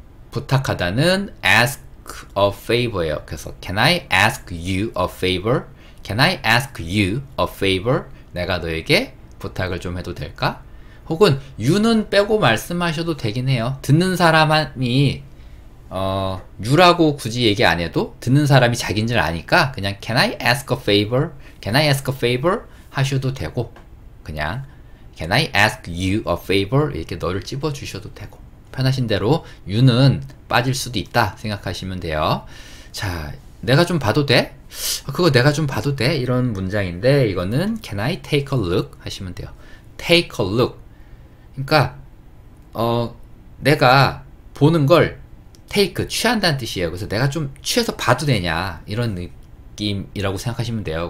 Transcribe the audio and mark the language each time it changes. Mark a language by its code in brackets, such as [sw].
[ko] 부탁하다는 [en] ask a favor예요. 그래서 Can I ask you a favor? Can I ask you a favor? [ko] 내가 너에게 부탁을 좀 해도 될까? 혹은 you는 빼고 말씀하셔도 되긴 해요. 듣는 사람이 유라고 굳이 얘기 안 해도 듣는 사람이 자기인 줄 아니까 그냥 [en] Can I ask a favor? Can I ask a favor? [ko] 하셔도 되고 그냥 [en] Can I ask you a favor? [ko] 이렇게 너를 찝어 주셔도 되고 편하신 대로 유는 빠질 수도 있다 생각하시면 돼요. 자, 내가 좀 봐도 돼? 그거 내가 좀 봐도 돼? 이런 문장인데 이거는 [en] Can I take a look? [ko] 하시면 돼요. [en] Take a look. [ko] 그러니까 내가 보는 걸 take, 취한다는 뜻이에요. 그래서 내가 좀 취해서 봐도 되냐, 이런 느낌이라고 생각하시면 돼요.